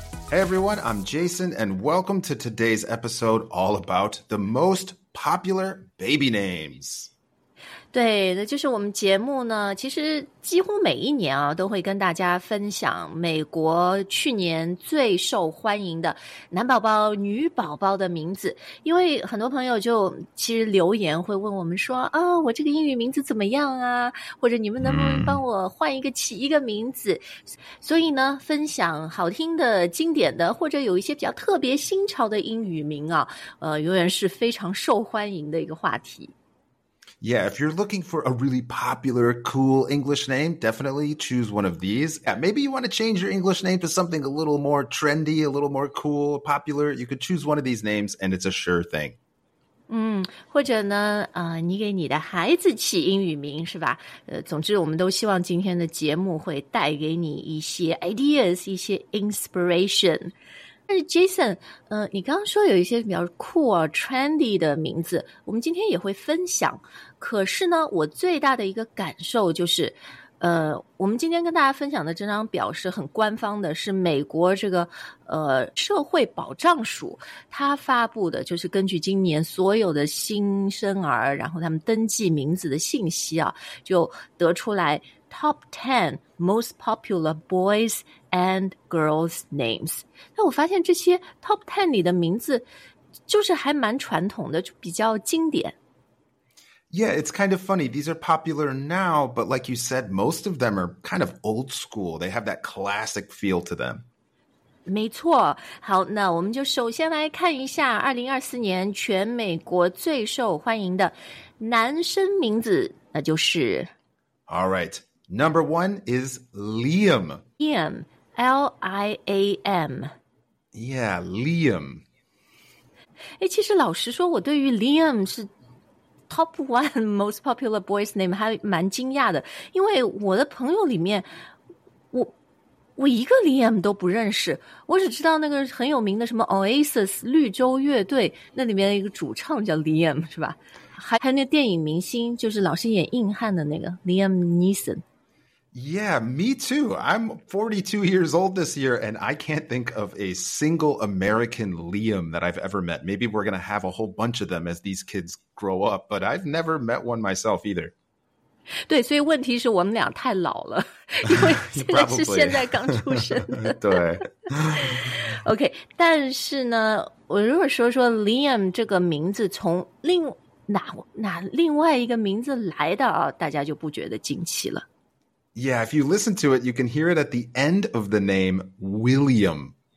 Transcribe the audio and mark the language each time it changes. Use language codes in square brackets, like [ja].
[en] Hey everyone, I'm Jason, and welcome to today's episode all about the most popular baby names. [zh] 对，那就是我们节目呢，其实几乎每一年啊，都会跟大家分享美国去年最受欢迎的男宝宝、女宝宝的名字。因为很多朋友就其实留言会问我们说啊、哦，我这个英语名字怎么样啊？或者你们能不能帮我换一个起一个名字？所以呢，分享好听的、经典的，或者有一些比较特别新潮的英语名啊，永远是非常受欢迎的一个话题。 [en] Yeah, if you're looking for a really popular, cool English name, definitely choose one of these. Yeah, maybe you want to change your English name to something a little more trendy, a little more cool, popular. You could choose one of these names, and it's a sure thing. [zh] 或者呢，你给你的孩子起英语名是吧？总之，我们都希望今天的节目会带给你一些 ideas, 一些 inspiration. 但是 Jason, 你刚刚说有一些比较 cool, trendy 的名字，我们今天也会分享。可是呢，我最大的一个感受就是，我们今天跟大家分享的这张表是很官方的，是美国这个社会保障署它发布的，就是根据今年所有的新生儿，然后他们登记名字的信息啊，就得出来 [en] top 10 most popular boys and girls names。 [zh] 那我发现这些 top 10 里的名字就是还蛮传统的，就比较经典。 [en] Yeah, it's kind of funny. These are popular now, but like you said, most of them are kind of old school. They have that classic feel to them. [zh] 没错。好，那我们就首先来看一下2024年全美国最受欢迎的男生名字，那就是。 [en] All right. Number one is Liam. Liam. L-I-A-M. Yeah, Liam. [zh] 诶，其实老实说，我对于 Liam 是 [en] Top one most popular boy's name [zh] 还蛮惊讶的，因为我的朋友里面，我一个 Liam 都不认识，我只知道那个很有名的什么 Oasis 绿洲乐队，那里面一个主唱叫 Liam 是吧？还有那电影明星，就是老是演硬汉的那个 Liam Neeson。 [en] Yeah, me too. I'm 42 years old this year, and I can't think of a single American Liam that I've ever met. Maybe we're going to have a whole bunch of them as these kids grow up, but I've never met one myself either. [zh] 对，所以问题是我们俩太老了，因为现在是现在刚出生的。对。 OK, 但是呢，我如果说说 Liam 这个名字从另外一个名字来的啊，大家就不觉得惊奇了。 [en] Yeah, if you listen to it, you can hear it at the end of the name, William.